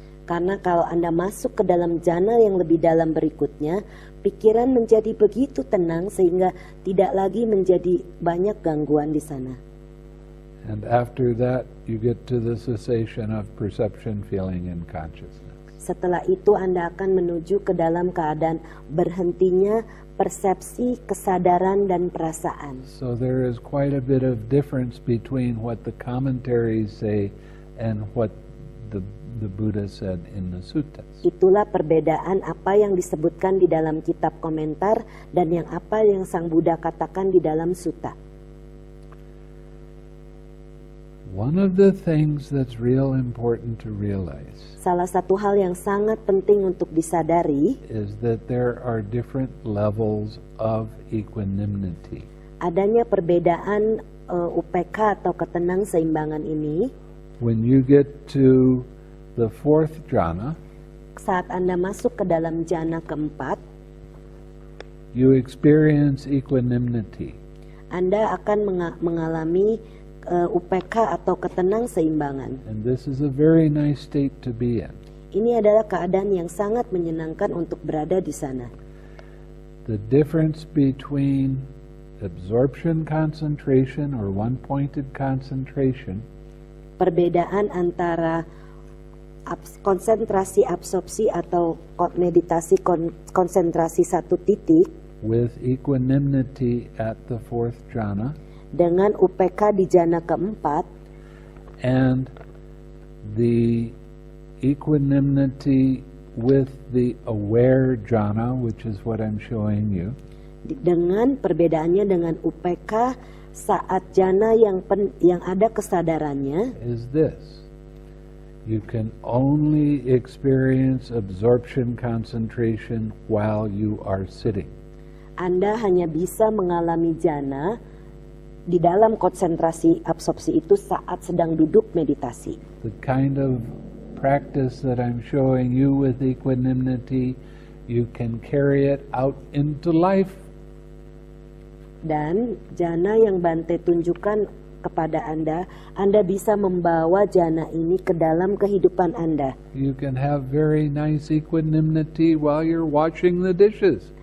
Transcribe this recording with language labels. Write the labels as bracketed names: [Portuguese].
[Indonesian] Karena kalau Anda masuk ke dalam jhana yang lebih dalam berikutnya, pikiran menjadi begitu tenang sehingga tidak lagi menjadi banyak gangguan di sana. [English] And after that, you get to the cessation of perception, feeling, and consciousness. [Indonesian] Setelah itu, Anda akan menuju ke dalam keadaan berhentinya persepsi, kesadaran, dan perasaan. [English] So there is quite a bit of difference between what the commentaries say and what the Buddha said in the suttas. [Indonesian] Itulah perbedaan apa yang disebutkan di dalam kitab komentar dan yang apa yang Sang Buddha katakan di dalam sutta. [English] One of the things that's real important to realize. [Indonesian] Salah satu hal yang sangat penting untuk disadari [English] is that there are different levels of equanimity. [Indonesian] Adanya perbedaan UPK atau ketenang seimbangan ini. [English] When you get to the fourth jhana, [Indonesian] saat Anda masuk ke dalam jhana keempat, [English] you experience equanimity. [Indonesian] Anda akan mengalami UPK atau ketenang seimbangan. [English] And this is a very nice state to be in. [Indonesian] Ini adalah keadaan yang sangat menyenangkan untuk berada di sana. [English] The difference between absorption concentration or one-pointed concentration. [Indonesian] Perbedaan antara konsentrasi absorpsi atau meditasi konsentrasi satu titik. [English] With equanimity at the fourth jhana. [Indonesian] Dengan UPK di jhana keempat. [English] And the equanimity with the aware jhana, which is what I'm showing you. [Indonesian] Dengan perbedaannya dengan UPK saat jhana yang ada kesadarannya. [English] Is this. You can only experience absorption concentration while you are sitting. [Indonesian] Anda hanya bisa mengalami jhana di dalam konsentrasi absorpsi itu saat sedang duduk meditasi. [English] The kind of practice that I'm showing you with equanimity, you can carry it out into life. [Indonesian] Dan jhana yang Bante tunjukkan kepada Anda, Anda bisa membawa jhana ini ke dalam kehidupan Anda. [English] You can have very nice equanimity while you're washing the dishes.